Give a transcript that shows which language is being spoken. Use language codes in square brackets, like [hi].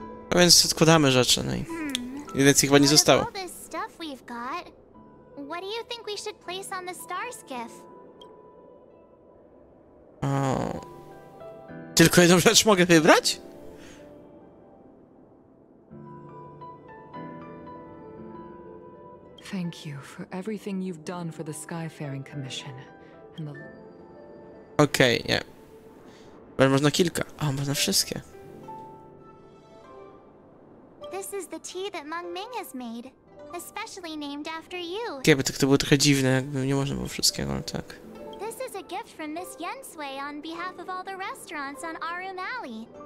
[pl] A więc odkładamy rzeczy, no i... Jeden z nich chyba nie zostało. [en] All this stuff we've got, what do you think we should place on the star skiff? [pl] Tylko jedną rzecz mogę wybrać? [en] Thank you for everything you've done for the Skyfaring Commission and the... [pl] Okay, yeah. Ale można kilka. A, można wszystkie. [en] This is the tea that Meng Ming has made, especially named after you. [pl] Okay, bo tak to było trochę dziwne, jakby nie można było wszystkiego, ale tak. [en] This is a gift from Miss Yen Sui on behalf of all the restaurants on Arum Alley.